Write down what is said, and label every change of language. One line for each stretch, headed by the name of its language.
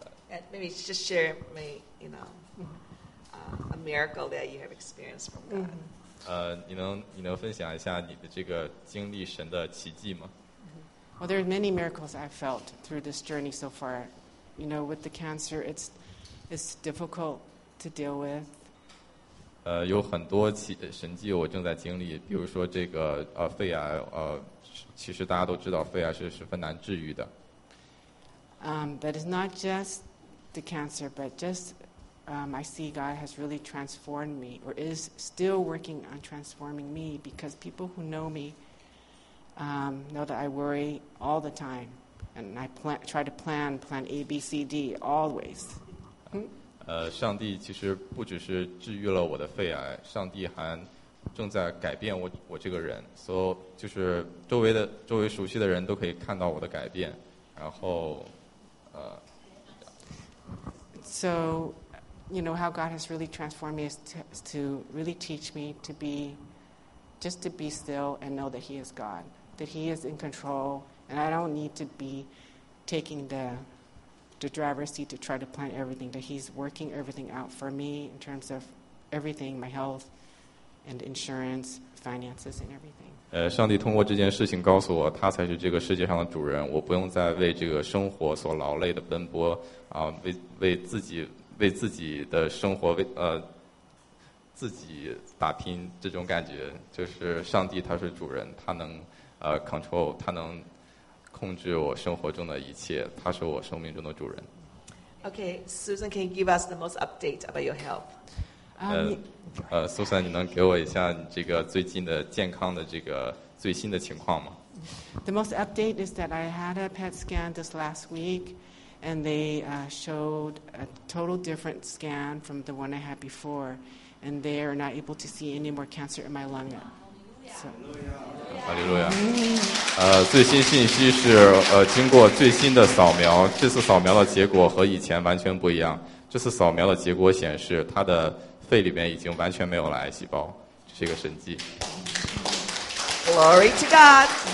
English: And maybe just share me, you know, a miracle that you have experienced from God.
Chinese: 你能分享一下你的这个经历神的奇迹吗？
English: Well, there are many miracles I've felt through this journey so far. You know, with the cancer, it's difficult to deal with.
Chinese: 有很多神迹我正在经历，比如说这个肺癌，其实大家都知道肺癌是十分难治愈的。
English: But it's not just the cancer, but just... I see God has really transformed me, or is still working on transforming me, because people who know me know that I worry all the time, and I try to plan A, B, C, D always.
Chinese: 上帝其实不只是治愈了我的肺癌，上帝还正在改变我这个人。所以就是周围熟悉的人都可以看到我的改变，然后
English: So. You know, how God has really transformed me is to really teach me to be just to be still and know that He is God, that He is in control, and I don't need to be taking the driver's seat to try to plan everything, that He's working everything out for me in terms of everything, my health and insurance, finances and everything.
Chinese: 上帝通过这件事情告诉我，他才是这个世界上的主人，我不用再为这个生活所劳累的奔波，为自己的生活，自己打拼，这种感觉就是上帝他是主人，他能control， 他能控制我生活中的一切，他是我生命中的主人。
English: Okay, Susan, can you give us the most update about your health?
Chinese: Susan, 你能给我一下这个最近的健康的这个最新的情况吗？
English: The most update is that I had a PET scan this last week, and they showed a total different scan from the one I had before, and they are not able to see any more cancer in my lung yet.
Chinese: 哈利路亚。最新信息是经过最新的扫描，这次扫描的结果和以前完全不一样。这次扫描的结果显示他的肺里面已经完全没有了癌细胞，这是一个神迹。
English: Glory to God.